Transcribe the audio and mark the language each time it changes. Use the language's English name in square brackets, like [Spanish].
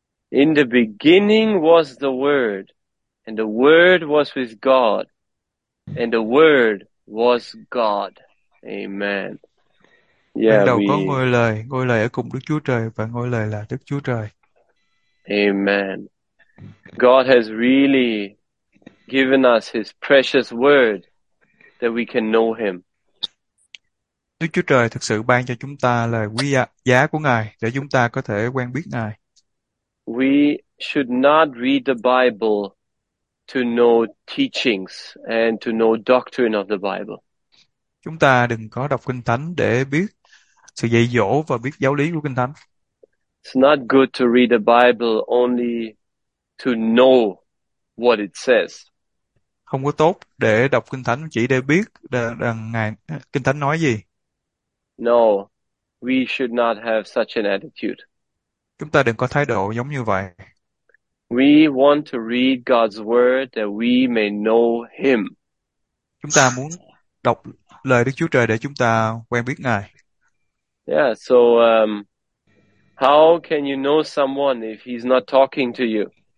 [English] In the beginning was the Word, and the Word was with God, and the Word was God. Amen. [Vietnamese] Ban [English] Yeah, [Vietnamese] đầu có [English] we. [Vietnamese] ngôi lời ở cùng Đức Chúa Trời và ngôi lời là Đức Chúa Trời. [English] Amen. God has really given us his precious word that we can know him. [Vietnamese] Đức Chúa Trời thực sự ban cho chúng ta lời quý giá của Ngài để chúng ta có thể quen biết Ngài. [English] We should not read the Bible to know teachings and to know doctrine of the Bible. [Vietnamese] Chúng ta đừng có đọc Kinh Thánh để biết sự dạy dỗ và biết giáo lý của Kinh Thánh. [English] It's not good to read the Bible only to know what it says. [Vietnamese] Không có tốt để đọc Kinh Thánh chỉ để biết rằng Ngài Kinh Thánh nói gì. [English] No, we should not have such an attitude. [Vietnamese] Chúng ta đừng có thái độ giống như vậy. [English] We want to read God's word that we may know him. [Vietnamese] Chúng ta muốn đọc lời Đức Chúa Trời để chúng ta quen biết Ngài. [English] Yeah, so how can you know someone if he's not talking to you?